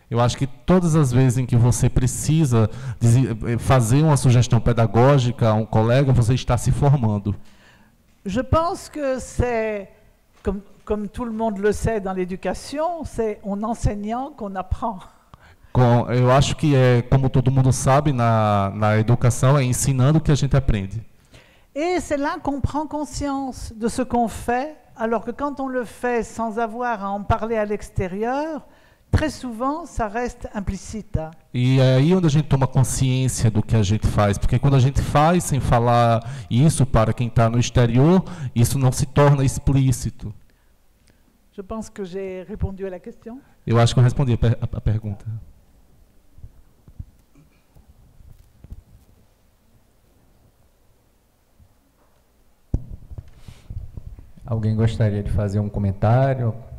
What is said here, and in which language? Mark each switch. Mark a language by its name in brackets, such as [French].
[Portuguese] Eu acho que todas as vezes em que você precisa fazer uma sugestão pedagógica a um colega, você está se formando. [French] Je pense que c'est comme tout le monde le sait dans l'éducation, c'est en enseignant qu'on apprend. [Portuguese] Eu acho que é como todo mundo sabe na educação, é ensinando que a gente aprende. [French] Et c'est là qu'on prend conscience de ce qu'on fait, alors que quand on le fait sans avoir à en parler à l'extérieur, très souvent ça reste implicite. [Portuguese] E aí onde a gente toma consciência do que a gente faz, porque quando a gente faz sem falar isso para quem está no exterior, isso não se torna explícito. [French] Je pense que j'ai répondu à la question. [Portuguese] Eu acho que eu respondi a pergunta. Alguém gostaria de fazer comentário?